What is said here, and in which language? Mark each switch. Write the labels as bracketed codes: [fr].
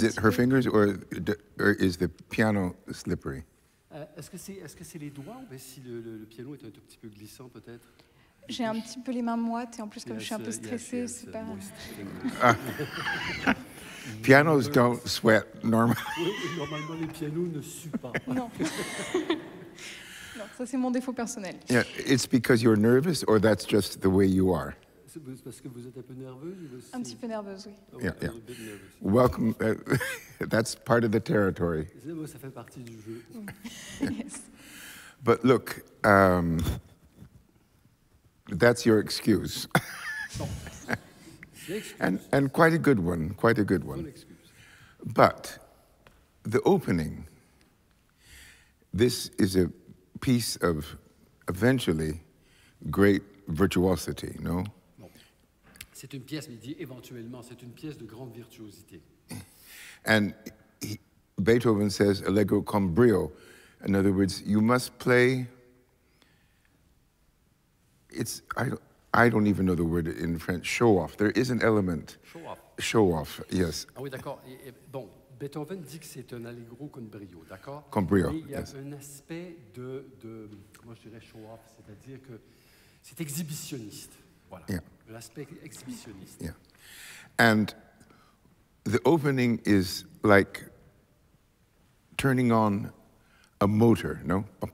[en] Is it her fingers or is the piano slippery? [fr] Est-ce que c'est les doigts ou si le piano est un tout petit peu glissant peut-être? J'ai un petit peu les mains moites et en plus comme je suis un peu stressée, c'est pas. [en] Pianos don't sweat normally. [fr] Normalement les pianos ne suent pas. Non. Ça c'est mon défaut personnel. [en] Yeah, it's because you're nervous or that's just the way you are. [fr] Parce que vous êtes un peu nerveuse. Un petit peu nerveuse, oui. [en] Yeah. Welcome. That's part of the territory. [fr] Ça fait partie du jeu. [en] Yes. But look, that's your excuse. and quite a good one. Quite a good one. But the opening. This is a piece of eventually great virtuosity. No. [fr] C'est une pièce, mais il dit éventuellement, c'est une pièce de grande virtuosité. [en] And Beethoven says allegro con brio. In other words, you must play. It's I don't even know the word in French. Show off. There is an element. Show off. Show off. Yes. [fr] Ah oui, d'accord. Bon, Beethoven dit que c'est un allegro con brio, d'accord? Con brio. Mais il y a [en] yes. [fr] un aspect de comment je dirais [en] show off, [fr] c'est-à-dire que c'est exhibitionniste. Voilà. [en] Yeah. [fr] L'aspect exhibitionniste. [en] Yeah. And the opening is like turning on a motor, no?